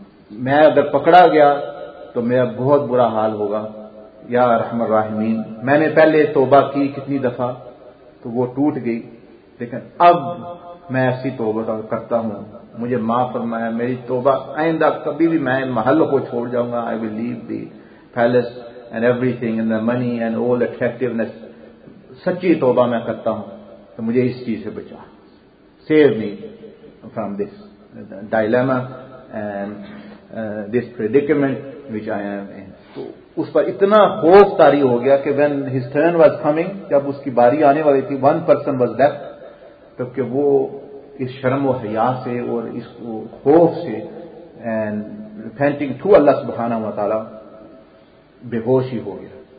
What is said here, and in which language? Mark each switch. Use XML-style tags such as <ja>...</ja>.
<ur>میں اگر پکڑا گیا تو میرا بہت برا حال ہوگا. یا رحمان الرحیم, میں نے پہلے توبہ کی کتنی دفعہ تو وہ ٹوٹ گئی, لیکن اب میں ایسی توبہ کرتا ہوں, مجھے معاف فرمایا, میری توبہ آئندہ کبھی بھی میں محل کو چھوڑ جاؤں گا.</ur> <en>I will leave the place and everything and the money and all attractiveness.</en> <ur>سچی توبہ میں کرتا ہوں تو مجھے اس چیز سے بچا,</ur> <en>Save me from this dilemma and this predicament which I am in.</en> <ur>اس پر اتنا خوف طاری ہو گیا کہ</ur> <en>when his turn was coming,</en> <ur>جب اس کی باری آنے والی تھی,</ur> <en>one person was left,</en> <ur>تو کہ وہ اس شرم و حیا سے اور اس خوف سے</ur> <en>and repenting to</en> <ur>اللہ سبحانہ و تعالی بے ہوش ہی ہو گیا.</ur>